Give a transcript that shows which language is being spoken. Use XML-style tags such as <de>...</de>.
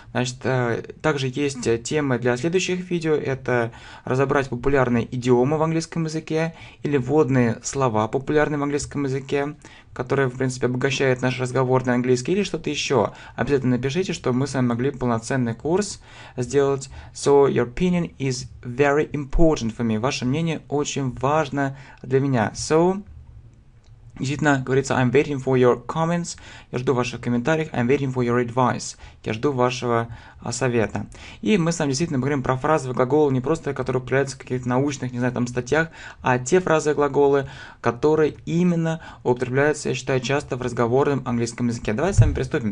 <ru>Значит, также есть темы для следующих видео. Это разобрать популярные идиомы в английском языке. Или вводные слова популярные в английском языке. Которые, в принципе, обогащают наш разговорный английский. Или что-то еще. Обязательно напишите, чтобы мы с вами могли полноценный курс сделать.</ru> <en>So, your opinion is very important for me.</en> <ru>Ваше мнение очень важно для меня.</ru> <en>So...</en> <ru>Действительно, говорится,</ru> <en>I'm waiting for your comments,</en> <ru>я жду ваших комментариев,</ru> <en>I'm waiting for your advice,</en> <ru>я жду вашего совета. И мы с вами действительно говорим про фразовые глаголы, не просто которые появляются в каких-то научных, не знаю, там, статьях, а те фразовые глаголы, которые именно употребляются, я считаю, часто в разговорном английском языке. Давайте с вами приступим.</ru>